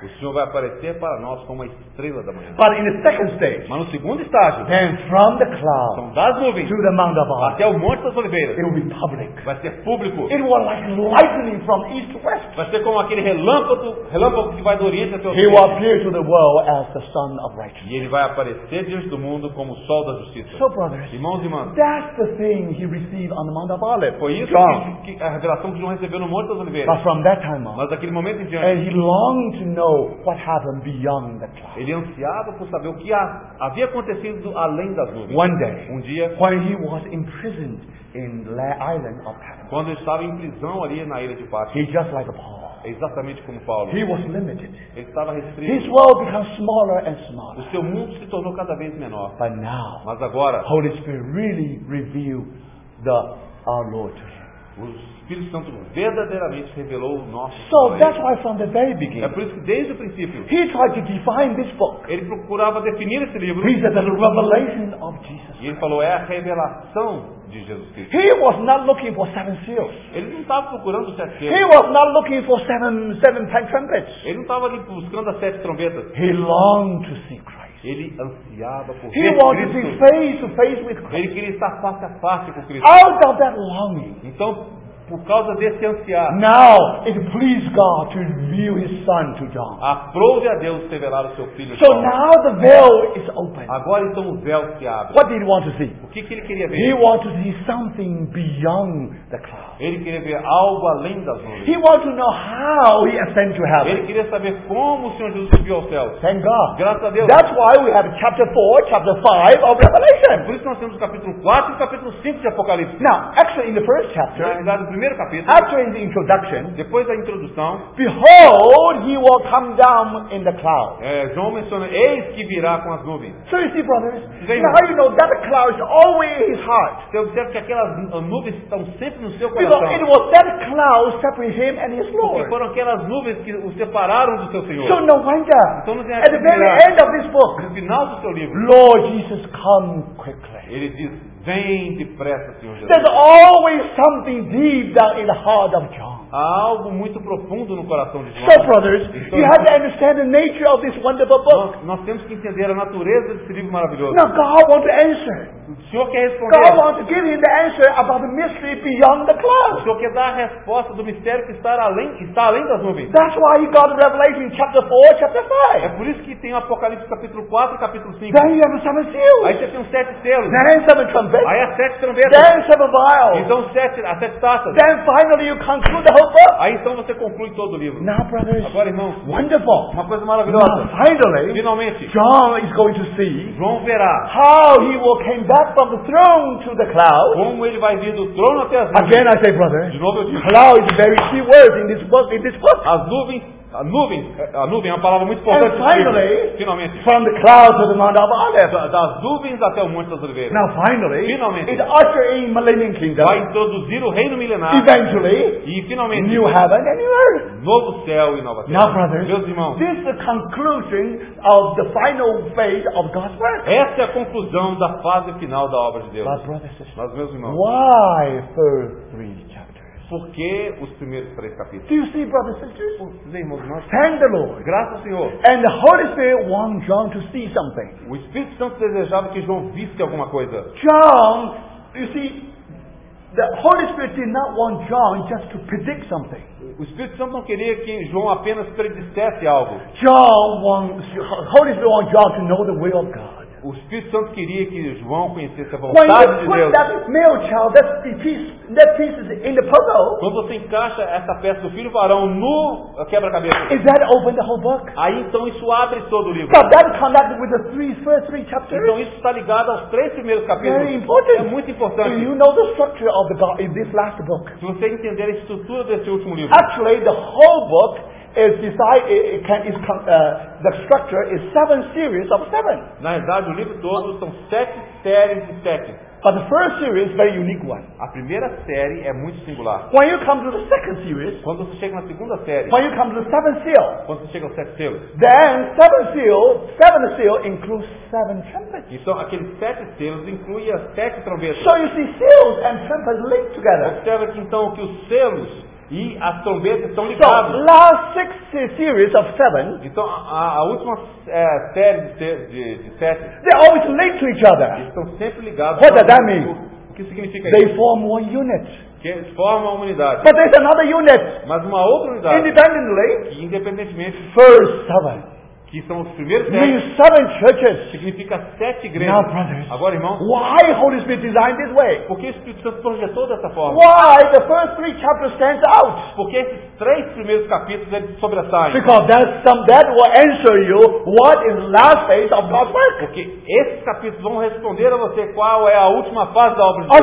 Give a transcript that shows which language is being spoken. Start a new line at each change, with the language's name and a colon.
Portuguese: O Senhor vai aparecer para nós como a estrela da manhã.
English: But in the second stage,
Portuguese: mas no segundo estágio,
English: then from the cloud,
Portuguese: então das nuvens,
English: to the Mount of Olives,
Portuguese: até o Monte das Oliveiras,
English: it will be public.
Portuguese: Vai ser público.
English: It will like lightning from east to west.
Portuguese: Vai ser como aquele relâmpago que vai do oriente até o sul.
English: He will appear to the world as the Son of Righteousness.
Portuguese: E ele vai aparecer diante do mundo como o Sol da Justiça.
English: So brothers,
Portuguese: irmãos e irmãs,
English: that's the thing he received on the Mount of Olives.
Portuguese: Foi isso que a revelação que João recebeu no Monte das Oliveiras.
English: But from that time on,
Portuguese: mas daquele momento em diante,
English: and he longed to know what happened beyond the cloud.
Portuguese: Ele ansiava por saber o que havia acontecido além das nuvens.
English: One day,
Portuguese: um dia,
English: when he was imprisoned in the island of Patmos,
Portuguese: quando ele estava em prisão ali na ilha de Patmos,
English: he just like Paul,
Portuguese: exatamente como Paulo.
English: He was limited.
Portuguese: Ele estava restrito.
English: His world became smaller and smaller.
Portuguese: O seu mundo se tornou cada vez menor.
English: But now,
Portuguese: mas agora,
English: Holy Spirit really revealed the our Lord.
Portuguese: O Espírito Santo verdadeiramente revelou o nosso.
English: So that's why from the very beginning.
Portuguese: É por isso que desde o princípio.
English: He tried to define this book.
Portuguese: Ele procurava definir esse livro.
English: He said the revelation of Jesus.
Portuguese: E ele falou é a revelação de Jesus Cristo.
English: He was not looking for seven seals.
Portuguese: Ele não estava procurando os sete selos.
English: He was not looking for seven trumpets.
Portuguese: Ele não estava ali buscando as sete trombetas.
English: He longed to see Christ.
Portuguese: Ele ansiava por
English: He wanted to be face to face with Christ.
Portuguese: Ele queria estar face a face com Cristo.
English: Out of that longing.
Portuguese: Então, por causa desse ansiar.
English: Now, it pleased God to reveal His Son to John.
Portuguese: Aprove a Deus revelar o seu filho.
English: So now the veil is open.
Portuguese: Agora então o véu se abre.
English: What did he want to see?
Portuguese: O que ele queria ver?
English: He wanted to see something beyond the clouds.
Portuguese: Ele queria ver algo além das nuvens.
English: He wanted to know how he ascended to heaven.
Portuguese: Ele queria saber como o Senhor Jesus subiu ao céu.
English: Thank God.
Portuguese: Graças a Deus.
English: That's why we have chapter 4, chapter 5 of Revelation.
Portuguese: Por isso nós temos o capítulo 4 e o capítulo 5 de Apocalipse.
English: Now, actually in the first chapter,
Portuguese: primeiro capítulo,
English: after the introduction,
Portuguese: depois da introdução,
English: behold, he will come down in the cloud.
Portuguese: João menciona, eis que virá com as nuvens.
English: So you see, brothers, now you know that cloud is always in his heart.
Portuguese: Você observa que aquelas nuvens estão sempre no seu
English: because
Portuguese: coração.
English: It was that cloud separated him and his Lord.
Portuguese: Porque foram aquelas nuvens que o separaram do seu Senhor.
English: So no wonder,
Portuguese: então, não
English: at the very end of this book,
Portuguese: no final do seu livro,
English: Lord Jesus, come quickly.
Portuguese: Ele diz, vem depressa, Senhor Jesus.
English: There's always something deep down in the heart of John.
Portuguese: Há algo muito profundo no coração de João.
English: So, brothers,
Portuguese: então,
English: you have to understand the nature of this wonderful book.
Portuguese: Nós temos que entender a natureza desse livro maravilhoso.
English: Now, God wants to answer.
Portuguese: O Senhor quer responder.
English: God wants to give him the answer about the mystery beyond the clouds.
Portuguese: O Senhor quer dar a resposta do mistério que está além das nuvens.
English: That's why he got Revelation chapter 4, chapter 5.
Portuguese: É por isso que tem o Apocalipse capítulo 4 e capítulo 5.
English: Then you have seven seals.
Portuguese: Aí você tem os sete selos.
English: Then seven trumpets.
Portuguese: Aí as sete trombetas.
English: Then seven vials.
Portuguese: Então as sete taças.
English: Then finally you conclude the whole book.
Portuguese: Aí então você conclui todo o livro.
English: Now, brothers.
Portuguese: Agora, irmãos.
English: Wonderful.
Portuguese: Uma coisa maravilhosa.
English: Now, finally.
Portuguese: Finalmente.
English: John is going to see.
Portuguese: João verá.
English: How he will came back. From the throne to the cloud.
Portuguese: Como ele vai vir do trono até as nuvens?
English: Again, I say, brother.
Portuguese: De novo eu digo.
English: Cloud is a very key word in this book. In this book.
Portuguese: A nuvem é uma palavra muito importante.
English: And finally,
Portuguese: finalmente,
English: from the cloud to the Mount of Olives.
Portuguese: Das nuvens até o Monte das Oliveiras.
English: Now, finally,
Portuguese: finalmente,
English: it ushers in millennium kingdom.
Portuguese: Vai introduzir o reino milenário.
English: Eventually,
Portuguese: e finalmente,
English: new heaven and new earth.
Portuguese: Novo céu e nova terra.
English: Now, brothers,
Portuguese: meus irmãos,
English: this is the conclusion of the final phase of God's work.
Portuguese: Essa é a conclusão da fase final da obra de Deus.
English: But brothers,
Portuguese: mas meus irmãos,
English: why first three chapters?
Portuguese: Por que os primeiros três capítulos?
English: Do you see, brothers and sisters?
Portuguese: Lemos nós.
English: Thank the Lord.
Portuguese: Graças ao Senhor.
English: And the Holy Spirit wants John to see something.
Portuguese: O Espírito Santo desejava que João visse alguma coisa.
English: John, you see, the Holy Spirit did not want John just to predict something.
Portuguese: O Espírito Santo não queria que João apenas predissesse algo.
English: John wants, Holy Spirit wants John to know the will of God.
Portuguese: O Espírito Santo queria que João conhecesse a vontade de Deus.
English: When you put that male child, that piece is in the puzzle.
Portuguese: Quando você encaixa essa peça do filho varão no quebra-cabeça.
English: Is that open the whole book?
Portuguese: Aí então isso abre todo o livro.
English: But that connected with the first three chapters.
Portuguese: Então isso está ligado aos três primeiros capítulos.
English: Very important.
Portuguese: É muito importante.
English: Do you know the structure of the God in this last book?
Portuguese: Se você entender a estrutura desse último livro.
English: Actually, the whole book. The structure is seven series of seven.
Portuguese: Na verdade, o livro todo são sete séries de sete.
English: But the first series is very unique one.
Portuguese: A primeira série é muito singular.
English: When you come to the second series,
Portuguese: quando você chega na segunda série,
English: when you come to the seventh seal,
Portuguese: quando você chega ao sete selos,
English: then seventh seal includes seven trumpets.
Portuguese: Então, aqueles sete selos incluem as sete trombetas.
English: So you see seals and trumpets linked together.
Portuguese: Observe então que os selos e as trombetas estão ligadas.
English: So, last six series of seven.
Portuguese: Então a última série de sete.
English: They're always linked to each other.
Portuguese: Estão sempre ligados.
English: What does that mean?
Portuguese: O que significa
English: they They form one unit.
Portuguese: Que forma uma unidade.
English: But there's another unit.
Portuguese: Mas uma outra unidade.
English: Independently.
Portuguese: Independentemente.
English: First seven.
Portuguese: que são os primeiros sete.
English: Means seven churches.
Portuguese: Significa sete igrejas.
English: Now, brothers,
Portuguese: agora, irmãos,
English: why Holy Spirit designed this way?
Portuguese: Por que o Espírito Santo projetou dessa forma?
English: Why the first three chapters stand out?
Portuguese: Por que esses três primeiros capítulos eles sobressaem?
English: Because there's some that will answer you what is the last phase of God's work.
Portuguese: Porque esses capítulos vão responder a você qual é a última fase da obra de Deus.